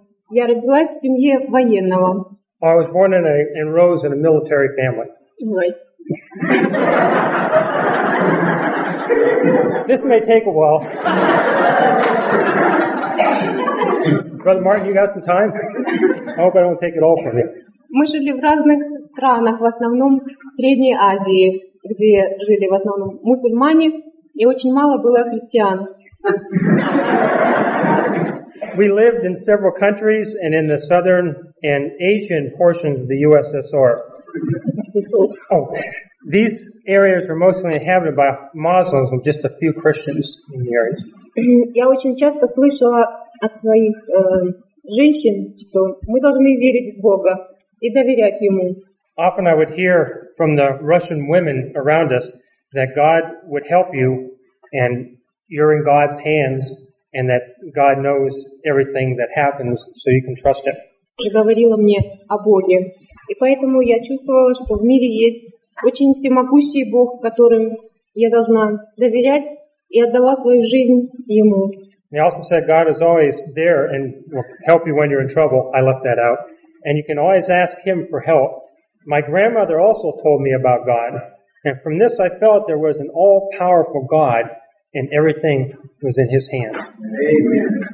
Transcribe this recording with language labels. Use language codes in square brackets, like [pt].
[ru] Я родилась в семье военного. [en] I was born in and rose in a military family. Right. This may take a while. Brother Martin, you got some time? I hope I don't take it all from you. [ru] Мы жили в разных странах, в основном в Средней Азии, где жили в основном мусульмане, и очень мало было христиан. [en] We lived in several countries and in the southern and Asian portions of the USSR. These areas were mostly inhabited by Muslims and just a few Christians in the areas. [ru] Я очень часто слышала от своих женщин, что мы должны верить в Бога и доверять ему. [en] Often I would hear from the Russian women around us that God would help you and you're in God's hands and that God knows everything that happens so you can trust him. [ru] Она говорила мне о Боге. И поэтому я чувствовала, что в мире есть очень всемогущий Бог, которым я должна доверять и отдала свою жизнь ему. [en] He also said God is always there and will help you when you're in trouble. I left that out. And you can always ask him for help. My grandmother also told me about God. And from this I felt there was an all-powerful God and everything was in his hands. Amen.